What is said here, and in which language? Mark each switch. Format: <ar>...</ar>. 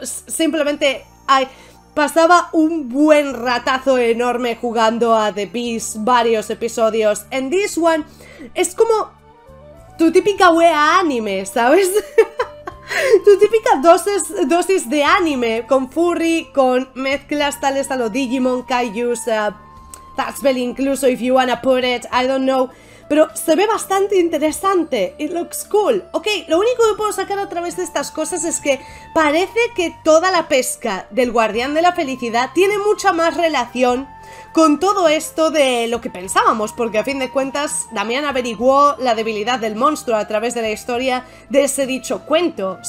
<es>Simplemente pasaba un buen ratazo enorme jugando a The Beast varios episodios.</es> <en>And this one</en> <es>es como tu típica wea anime, ¿sabes? Tu típica dosis de anime con furry, con mezclas tales a lo Digimon, Kaijus...</es> <en>That's well, incluso if you wanna put it, I don't know.</en> <es>Pero se ve bastante interesante.</es> <en>It looks cool.</en> <es>Ok, lo único que puedo sacar a través de estas cosas es que parece que toda la pesca del guardián de la felicidad tiene mucha más relación con todo esto de lo que pensábamos, porque a fin de cuentas Damián averiguó la debilidad del monstruo a través de la historia de ese dicho cuento.</es>